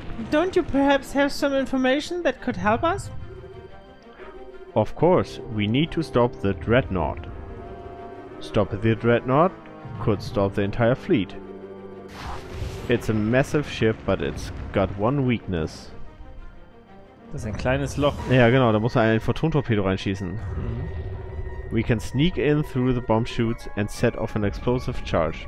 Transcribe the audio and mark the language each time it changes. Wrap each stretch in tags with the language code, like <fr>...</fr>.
<en>Don't you perhaps have some information that could help us? Of course, we need to stop the dreadnought. Stop the dreadnought could stop the entire fleet. It's a massive ship, but it's got one weakness.</en> <de>Das ist ein kleines Loch. Ja, genau, da muss er einen Photontorpedo reinschießen.</de> <en>We can sneak in through the bomb chutes and set off an explosive charge.</en>